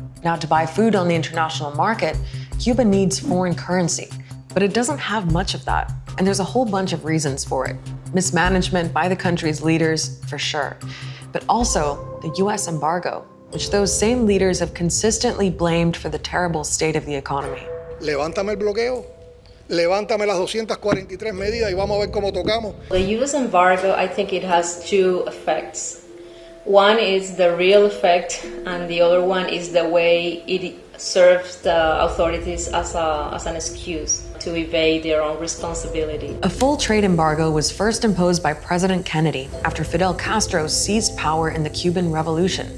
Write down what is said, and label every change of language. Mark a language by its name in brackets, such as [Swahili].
[English] Now, to buy food on the international market, Cuba needs foreign currency, but it doesn't have much of that, and there's a whole bunch of reasons for it. Mismanagement by the country's leaders, for sure, but also the U.S. embargo, which those same leaders have consistently blamed for the terrible state of the economy. [Spanish] Levántame el bloqueo. Levántame las 243 medidas y vamos a ver cómo tocamos. [English] The U.S. embargo, I think it has two effects. One is the real effect, and the other one is the way it serves the authorities as an excuse to evade their own responsibility. A full trade embargo was first imposed by President Kennedy after Fidel Castro seized power in the Cuban Revolution.